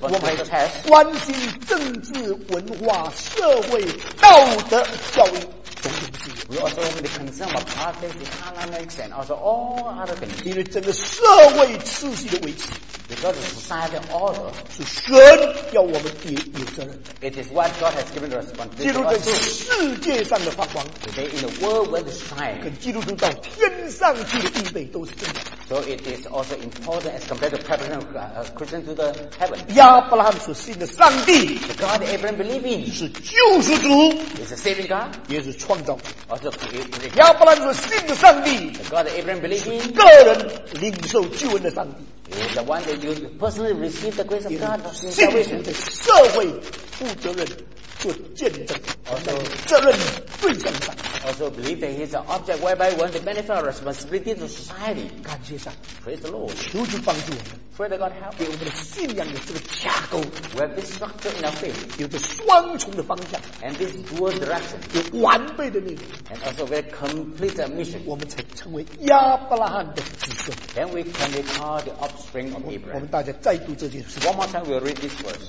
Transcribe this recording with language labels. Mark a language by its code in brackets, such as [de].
[zh] 我们还关心政治、文化、社会、道德、教育种种事。。 [en] We also have to be concerned about politics, economics, and also all other things. [zh] 因为整个社会秩序的维持。 [en] Because society order [zh] 是神要我们也有责任。 [en] It is what God has given responsibility. [zh] 基督徒在世界上的发光。 [en] Today in the world where the shine. [zh] 跟基督徒到天上去的预备都是真的。 [en] So it is also important as compared to preparing Christians to the heaven. [zh] 亚伯拉罕所信的上帝。 [en] The God Abraham believed in. [zh] 是救世主。 [en] Is a saving God. [zh] 也是创造主。 [en] Also created. [zh] 亚伯拉罕所信的上帝。 [en] The God Abraham believed in. [zh] 是个人领受救恩的上帝。 [en] Is the one that you personally receive the grace of God. [zh] 信徒的社会负责任做见证。 [en] Also, [zh] 责任对象上。 [en] Also believe that he is an object whereby one to benefit our responsibility to society. [zh] 感谢上。 [en] Praise the Lord. [zh] 求主帮助我们。 [en] Pray that God help us. [zh] 给我们的信仰有这个架构。 [en] We have this structure in our faith. [zh] 有着双重的方向。 [en] And this dual direction. [zh] 有完备的内容。 [en] And also we have complete mission. [zh] 我们才成为亚伯拉罕的子孙。 [en] Then we can be called the offspring of Abraham. [zh] 我们大家再读这件事。 [en] One more time we'll read this verse.